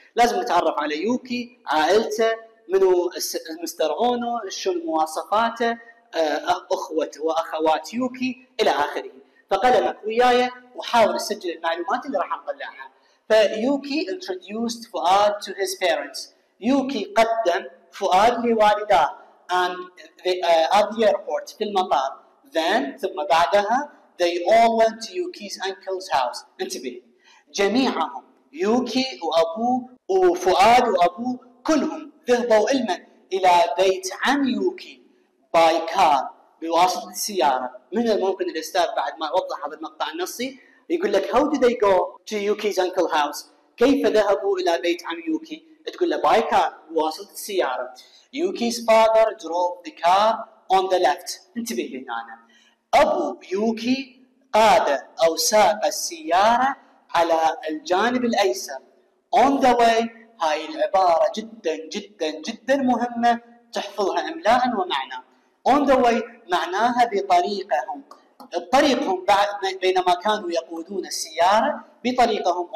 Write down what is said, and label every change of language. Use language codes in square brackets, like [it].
[ar] لازم نتعرف على يوكي، عائلته، منو مستر اونو، شو مواصفاته، أخوة وأخوات يوكي إلى آخره. فقلمك وياي وحاول تسجل المعلومات اللي راح نطلعها. [en] فيوكي introduced فؤاد to his parents. [ar] يوكي قدم فؤاد لوالده [en] and at the airport [ar] في المطار. [en] Then [ar] ثم بعدها [en] they all went to Yuki's uncle's house. [ar] انتبه، جميعهم يوكي وأبوه وفؤاد وأبوه كلهم ذهبوا إلى بيت عم يوكي [en] by car, [ar] بواسطة السيارة. من الممكن الأستاذ بعد ما أوضح هذا المقطع النصي يقول لك [en] how did they go to Yuki's uncle house، [ar] كيف ذهبوا إلى بيت عم يوكي؟ تقول له [en] by car, [ar] بواسطة السيارة. [en] Yuki's father drove the car on the left. [ar] انتبه لي هنا، أبو يوكي قاد أو ساق السيارة على الجانب الأيسر. [en] On the way، [ar] هاي العبارة جدا جدا جدا مهمة، تحفظها إملاء ومعنى. [en] On the way [ar] معناها بطريقهم، طريقهم بعد بينما كانوا يقودون السيارة بطريقهم.